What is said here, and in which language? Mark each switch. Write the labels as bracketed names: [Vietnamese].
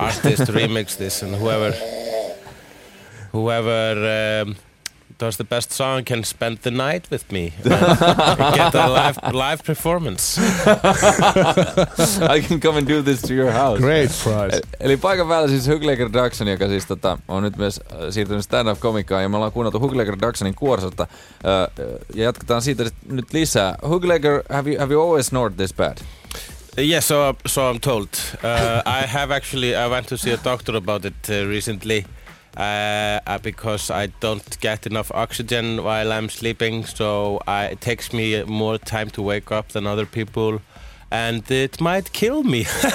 [English] Artist remix this, and whoever does the best song can spend the night with me and get a live performance. I can come and do this to your house. Great prize. [Finnish] Eli paikan päällä siis Hugleger Dagsen, joka siis on nyt myös siirtynyt stand-up-komikkaan, ja me ollaan kuunneltu Hugleger Dagsenin kuorsasta. Ja jatketaan siitä nyt lisää. [English] Hugleger, have you always snored this bad? Yes, so I'm told. I went to see a doctor about it recently. Because I don't get enough oxygen while I'm sleeping, so it takes me more time to wake up than other people, and it might kill me.